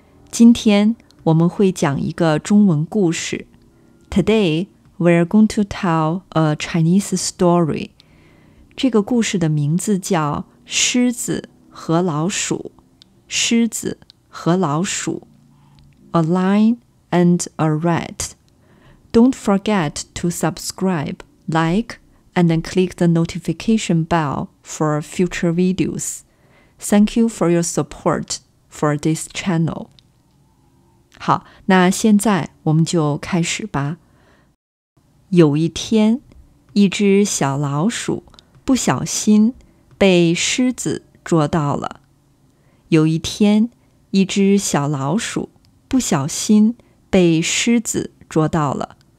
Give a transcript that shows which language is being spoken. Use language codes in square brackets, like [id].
[zh] 今天我们会讲一个中文故事。 [en] Today, we're going to tell a Chinese story. [zh] 这个故事的名字叫《狮子和老鼠》。狮子和老鼠。 [en] A lion and a rat. Don't forget to subscribe, like, and then click the notification bell for future videos. Thank you for your support for this channel. [zh] 好，那现在我们就开始吧。有一天，一只小老鼠不小心被狮子捉到了。有一天，一只小老鼠不小心被狮子捉到了。